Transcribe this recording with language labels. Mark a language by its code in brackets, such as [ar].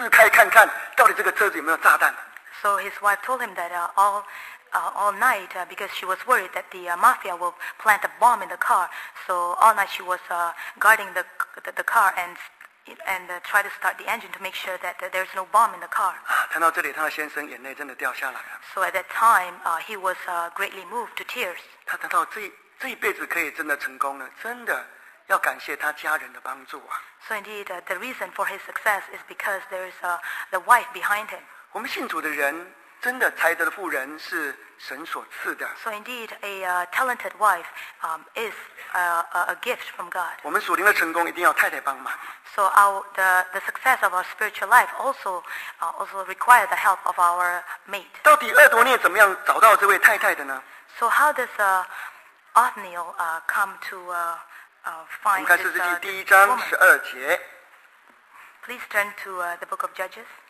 [zh] 我想哦，那个歹徒哦，一定会在你车上安置炸弹嘛。所以呢，今天早上我一早起来呢，就来试开看看，到底这个车子有没有炸弹。 [en] So his wife told him that all night because she was worried that the mafia will plant a bomb in the car. So all night she was guarding the car and try to start the engine to make sure that there's no bomb in the car. [zh] 谈到这里，他的先生眼泪真的掉下来了。 [en] So at that time, he was greatly moved to tears. [zh] 他谈到这。这一辈子可以真的成功呢，真的要感谢他家人的帮助啊。 [en] So indeed, the reason for his success is because there is the wife behind him. [zh] 我们信主的人，真的才德的妇人是神所赐的。 [en] So indeed, a talented wife is a gift from God. [zh] 我们属灵的成功一定要太太帮忙。 [en] So the success of our spiritual life also require the help of our mate. [zh] 到底厄多涅怎么样找到这位太太的呢？ [en] So how does Othniel come to find this woman. [zh] 我们看四世纪第一章十二节。 [en] Please turn to the book of Judges.